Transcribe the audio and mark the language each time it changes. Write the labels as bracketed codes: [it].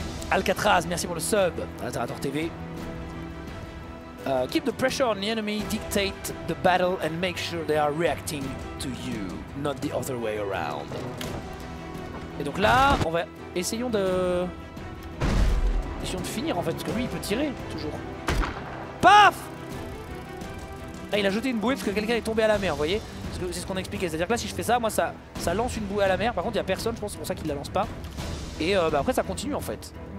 [fr] Alcatraz, merci pour le sub à Alterator TV. [en] Keep the pressure on the enemy, dictate the battle and make sure they are reacting to you, not the other way around. [fr] Et donc là, on va essayons de finir en fait, parce que lui il peut tirer, toujours. Paf! Là il a jeté une bouée parce que quelqu'un est tombé à la mer, vous voyez. Parce que c'est ce qu'on expliquait, c'est-à-dire que là si je fais ça, moi ça lance une bouée à la mer. Par contre il n'y a personne, je pense, c'est pour ça qu'il la lance pas. Et bah, après ça continue en fait.